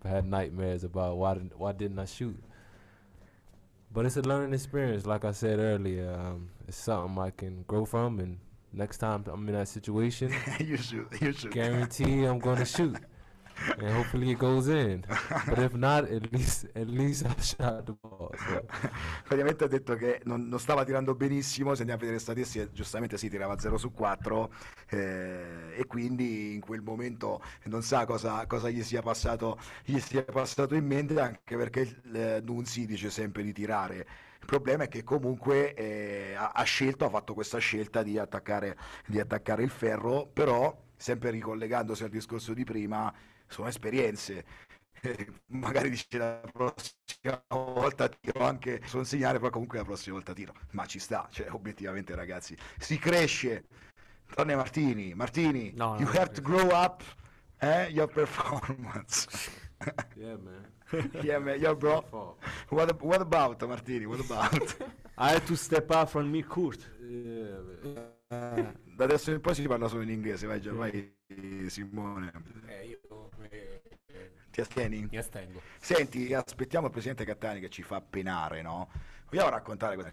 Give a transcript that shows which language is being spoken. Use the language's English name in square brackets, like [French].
[English] I had nightmares about why didn't I shoot. But it's a learning experience, like I said earlier. It's something I can grow from, and next time I'm in that situation, you shoot. Guarantee I'm going to shoot, and hopefully it goes in. But if not, at least I shot the ball. So. [Italian] Praticamente ha detto che non stava tirando benissimo, se andiamo a vedere le statistiche, giustamente si tirava 0 su 4, e quindi in quel momento non sa cosa gli sia passato in mente, anche perché non si dice sempre di tirare. Il problema è che comunque ha fatto questa scelta di attaccare il ferro, però sempre ricollegandosi al discorso di prima, sono esperienze. Magari dice la prossima volta tiro anche su un segnale, però comunque la prossima volta tiro, ma ci sta, cioè obiettivamente ragazzi si cresce. [English] Tranne Martini, no, you no, have no, to no. grow up your performance. Yeah man your bro, what about Martini, what about I had to step up from me court. [Italian] Da adesso in poi si parla solo in inglese, vai già, vai Simone. Ti astieni? Mi astengo. Senti, aspettiamo il presidente Cattani che ci fa penare, no? Vogliamo raccontare questo?